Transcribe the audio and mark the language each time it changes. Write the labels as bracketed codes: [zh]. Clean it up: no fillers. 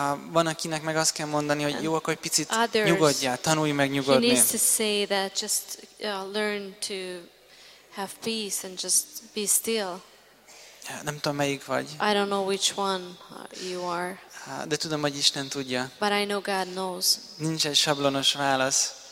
[hu] Van akinek meg azt kell mondani, hogy jó, akkor egy picit nyugodjál, tanulj meg nyugodni. [en] He needs to say that just learn to have peace and just be still. [hu] Nem tudom, melyik vagy. [en] I don't know which one you are. [hu] De tudom, hogy Isten tudja. [en] But I know God knows. [hu] Nincs egy sablonos válasz.